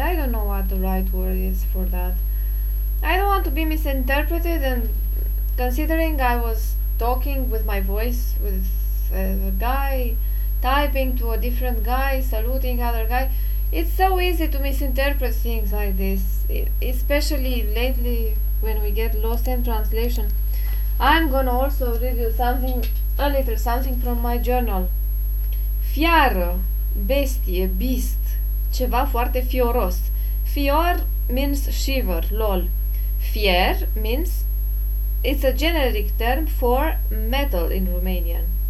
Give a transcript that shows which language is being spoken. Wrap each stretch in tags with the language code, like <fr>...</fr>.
<en>I don't know what the right word is for that. I don't want to be misinterpreted, and considering I was talking with my voice with the guy, typing to a different guy, saluting other guy, it's so easy to misinterpret things like this, especially lately when we get lost in translation. I'm gonna also read you something, a little something from my journal.</en> <ro>Fiară, bestie, beast, ceva foarte fioros.</ro> <en>Fior means shiver, lol. Fier means, it's a generic term for metal in Romanian.</en>